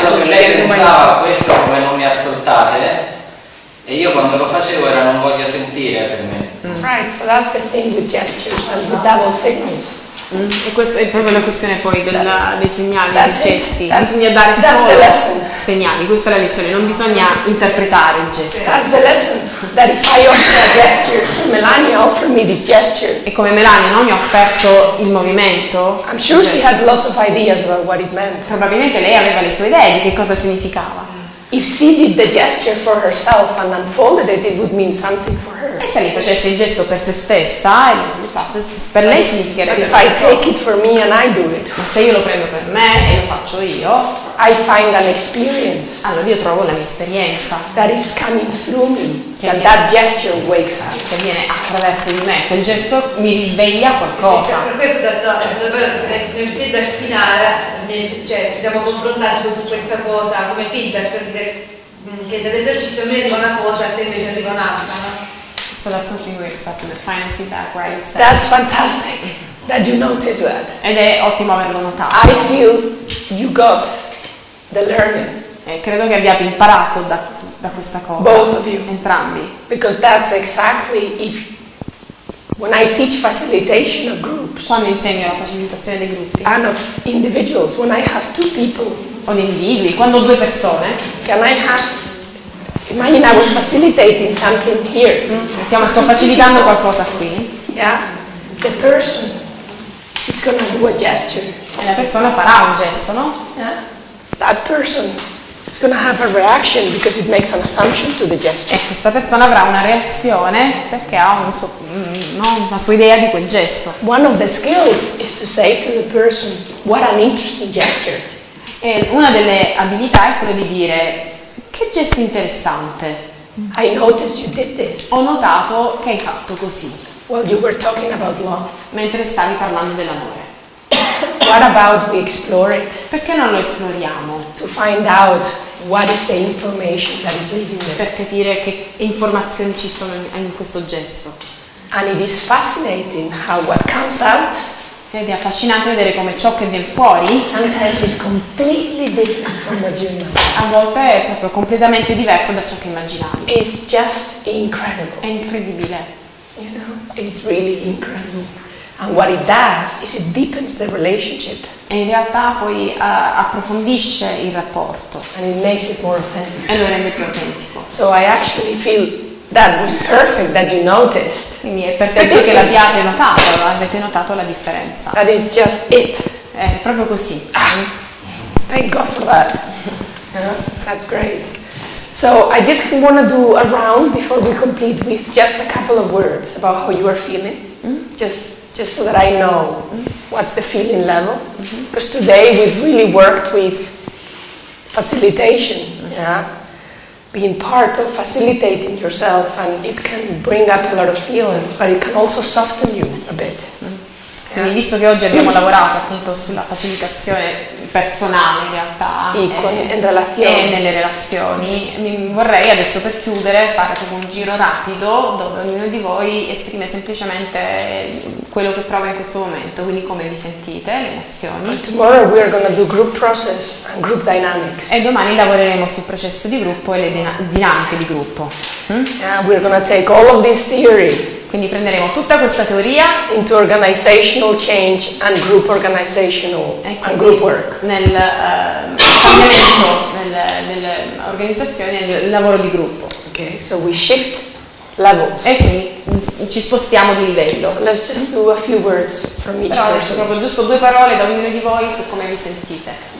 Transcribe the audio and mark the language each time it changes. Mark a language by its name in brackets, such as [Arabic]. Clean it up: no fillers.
[Italian] Solo che lei pensava questo come non mi ascoltate, e io quando lo facevo era non voglio sentire per me. [English] That's right. So that's the thing with gestures and the double signals. [Italian] E questo è proprio la questione poi dei segnali, dei gesti. Bisogna dare solo segnali, questa è la lezione, non bisogna interpretare il gesto. [English] That's the lesson, that if I offer a gesture, so Melania offered me this gesture. [Italian] E come Melania, no? Mi ha offerto il movimento. [English] I'm sure she had lots of ideas about what it meant. [Italian] Probabilmente lei aveva le sue idee di che cosa significava. [English] If she did the gesture for herself and unfolded it, it would mean something for her. [Italian] E se lei facesse il gesto per se stessa, per lei significherebbe. [English] If I take it for me and I do it. [Italian] Ma se io lo prendo per me e lo faccio io, [English] I find an experience. [Italian] Allora io trovo la mia esperienza. [English] That is coming through me. That gesture wakes up. [Italian] Che viene attraverso di me. Quel gesto mi risveglia qualcosa. Per questo nel feedback finale, cioè ci siamo confrontati su questa cosa come feedback, per dire che nell'esercizio a me arriva una cosa, a te invece arriva un'altra. [English] So that's something we express in the final feedback, right? That's fantastic that you notice that. [Italian] Ed è ottimo averlo notato. [English] I feel you got the learning. [Italian] Credo che abbiate imparato da questa cosa. [English] Both of you. [Italian] Entrambi. [English] Because that's exactly if when I teach facilitation of groups. [Italian] Quando insegno la facilitazione dei gruppi. [English] And of individuals, when I have two people. [Italian] O di individui, quando ho due persone. [English] Can I have? Imagine I was facilitating something here. [Italian] Mettiamo, sto facilitando qualcosa qui. [English] Yeah. The person is gonna do a gesture. [Italian] E la persona farà un gesto, no? [English] Yeah. That person is gonna have a reaction because it makes an assumption to the gesture. [Italian] E questa persona avrà una reazione perché ha un suo, no, una sua idea di quel gesto. [English] One of the skills is to say to the person, what an interesting gesture. [Italian] E una delle abilità è quella di dire: che gesto interessante. [English] I noticed you did this. [Italian] Ho notato che hai fatto così. [English] While you were talking about love. [Italian] Mentre stavi parlando dell'amore. [English] What about we explore it? [Italian] Perché non lo esploriamo? [English] To find out what is the information that is leaving there. [Italian] Per capire che informazioni ci sono in questo gesto. [English] And it is fascinating how what comes out [Italian] Ed è affascinante vedere come ciò che viene fuori a volte è proprio completamente diverso da ciò che immaginavi. [English] It's just incredible. [Italian] È incredibile. [English] You know, it's really incredible. And what it does is it deepens the relationship. [Italian] E in realtà poi approfondisce il rapporto. [English] And it makes it more authentic. [Italian] E lo rende più autentico. [English] So I actually feel that was perfect that you noticed. [Italian] Quindi è perfetto che l'abbiate notato, avete notato la differenza. [English] That is just it. [Italian] È proprio così. [English] Thank God for that. That's great. So I just want to do a round before we complete with just a couple of words about how you are feeling. Mm-hmm. Just so that I know what's the feeling level. Mm-hmm. Because today we've really worked with facilitation, yeah? Being part of facilitating yourself, and it can bring up a lot of feelings, but it can also soften you a bit. Mm-hmm. [Italian] Yeah? Quindi visto che oggi abbiamo lavorato appunto sulla facilitazione personale in realtà, e nelle relazioni, mi vorrei adesso per chiudere fare proprio un giro rapido dove ognuno di voi esprime semplicemente quello che prova in questo momento, quindi come vi sentite, le emozioni. [English] Tomorrow we are going to do group process and group dynamics. [Italian] E domani lavoreremo sul processo di gruppo e le dinamiche di gruppo. [English] We are going to take all of this theory. [Italian] Quindi prenderemo tutta questa teoria [English] into organizational change and group organizational and group work. [Italian] Nel cambiamento nelle organizzazioni e nel lavoro di gruppo. [English] Okay, so we shift levels. [Italian] E quindi ci spostiamo di livello. [English] So let's just do a few words from each other. [Italian] Adesso proprio giusto due parole da ognuno di voi su come vi sentite.